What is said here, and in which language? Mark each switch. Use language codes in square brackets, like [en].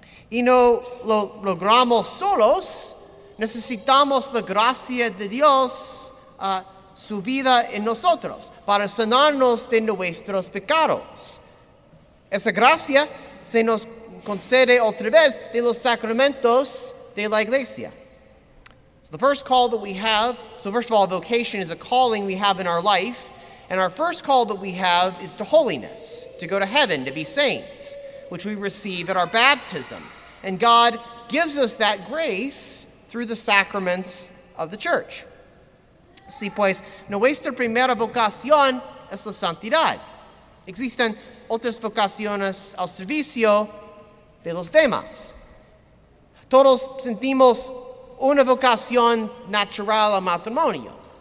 [es] Y no lo logramos solos. Necesitamos la gracia de Dios, su vida en nosotros, para sanarnos de nuestros pecados. Esa gracia se nos concede otra vez de los sacramentos de la iglesia. [en] So the first call that we have, so first of all, vocation is a calling we have in our life, and our first call that we have is to holiness, to go to heaven, to be saints, which we receive at our baptism. And God gives us that grace through the sacraments of the church. [es] Así pues, nuestra primera vocación es la santidad. Existen otras vocaciones al servicio de los demás. Todos sentimos una vocación natural al matrimonio.